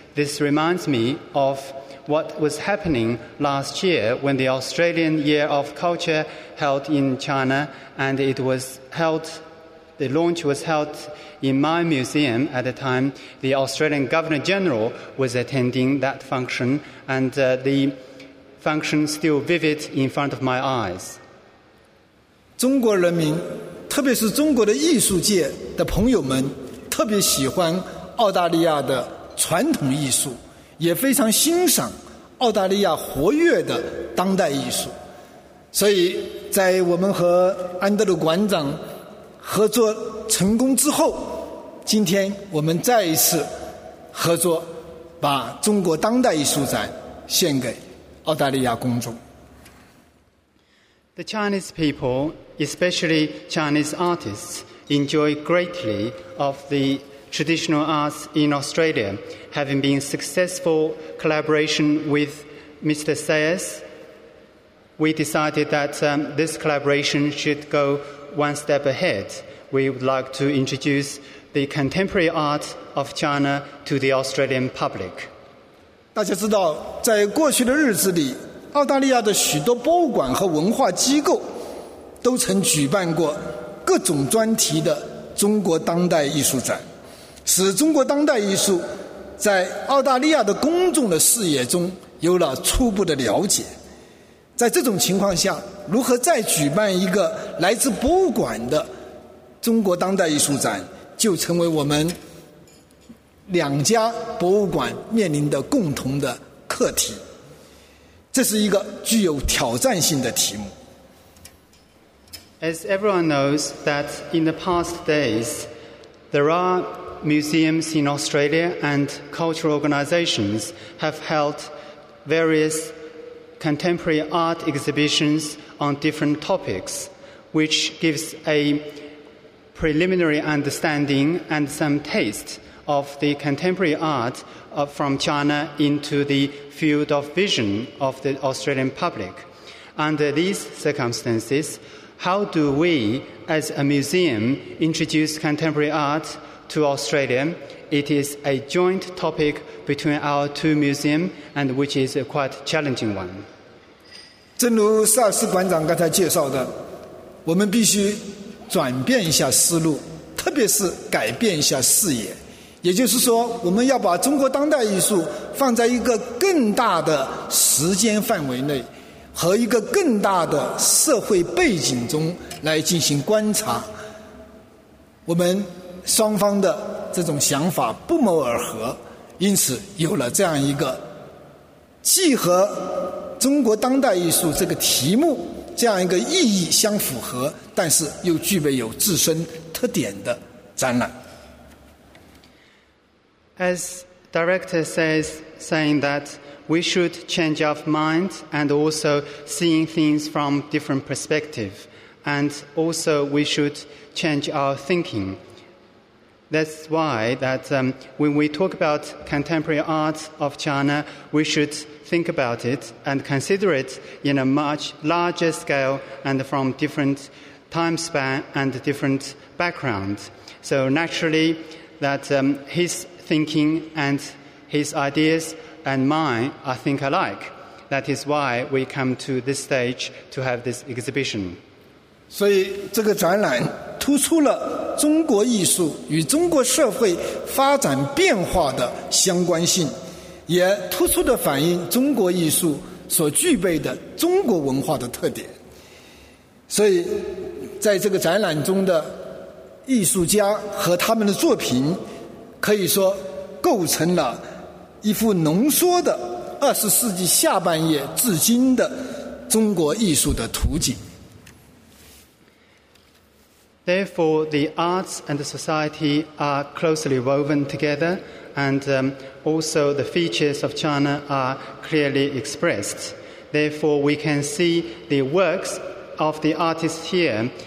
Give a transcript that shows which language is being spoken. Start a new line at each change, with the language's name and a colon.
English: This reminds me of what was happening last year when the Australian Year of Culture held in China, and it was held The launch was held in my museum at the time. The Australian Governor General was attending that function, and the function still vivid in front of my eyes.
Chinese: 中国人民，特别是中国的艺术界的朋友们，特别喜欢澳大利亚的传统艺术，也非常欣赏澳大利亚活跃的当代艺术。所以在我们和安德鲁馆长合作成功之后，今天我们再一次合作，把中国当代艺术展献给澳大利亚公众。
English: The Chinese people, especially Chinese artists, enjoy greatly of the traditional arts in Australia, having been successful collaboration with Mr. Sayers. We decided that this collaboration should go one step ahead. We would like to introduce the contemporary art of China to the Australian public.
Chinese: 大家知道，在过去的日子里，澳大利亚的许多博物馆和文化机构都曾举办过各种专题的中国当代艺术展，使中国当代艺术在澳大利亚的公众的视野中有了初步的了解。在这种情况下，如何再举办一个来自博物馆的中国当代艺术展，就成为我们两家博物馆面临的共同的课题。这是一个具有挑战性的题目。
English: As everyone knows that in the past days, there are museums in Australia and cultural organizations have held various contemporary art exhibitions on different topics, which gives a preliminary understanding and some taste of the contemporary art from China into the field of vision of the Australian public. Under these circumstances, how do we, as a museum, introduce contemporary art to Australia? It is a joint topic between our two museums, and which is a quite challenging one.
Chinese: 正如塞尔斯馆长刚才介绍的，我们必须转变一下思路，特别是改变一下视野，也就是说，我们要把中国当代艺术放在一个更大的时间范围内和一个更大的社会背景中来进行观察。我们双方的这种想法不谋而合，因此有了这样一个既和中国当代艺术这个题目这样一个意义相符合，但是又具备有自身特点的展览。
English: As director says, saying that we should change our mind and also seeing things from different perspective, and also we should change our thinking. That's why that when we talk about contemporary art of China, we should. Think about it and consider it in a much larger scale and from different time span and different backgrounds. So naturally, that his thinking and his ideas and mine, I think, alike. That is why we come to this stage to have this exhibition.
Chinese: 所以这个展览突出了中国艺术与中国社会发展变化的相关性。也突出地反映中国艺术所具备的中国文化的特点。所以在这个展览中的艺术家和他们的作品可以说构成了一幅浓缩的20世纪下半叶至今的中国艺术的图景。
English: Therefore, the arts and the society are closely woven together, and also the features of China are clearly expressed. Therefore, we can see the works of the artist here.